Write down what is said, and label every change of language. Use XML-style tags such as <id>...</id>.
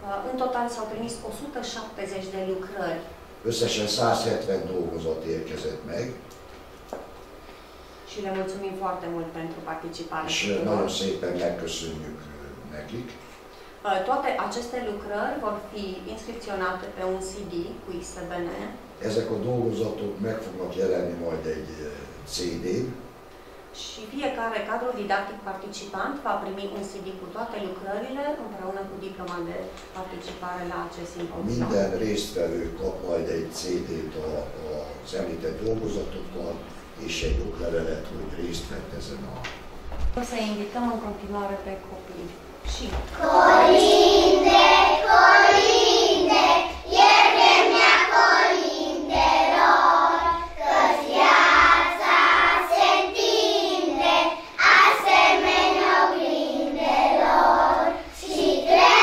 <ro>În total s-au trimis 170 de lucrări.</ro> <hu>Összesen 170 dolgozat érkezett meg.</hu> <ro>Și le mulțumim foarte mult pentru participare.</ro> <hu>Și nagyon szépen megköszönjük nekik.</hu> <ro>Toate aceste lucrări vor fi inscripționate pe un CD cu ISBN.</ro> <hu>Ezek a dolgozatok meg fognak jelenni majd egy CD-n.</hu> <ro>Și fiecare cadru didactic participant va primi un CD cu toate lucrările împreună cu diploma de participare la acest simpozion.</ro> <hu>Minden résztvevő kap majd egy CD-t az említett dolgozatokkal és egy oklevelet, hogy részt vett ezen a...</hu> <ro>Să invităm în continuare pe copii. Și... Colinde, Colinde, ierte-mi-a Colinde lor, că-ți viața se-ntinde asemenea oglindelor și te</ro>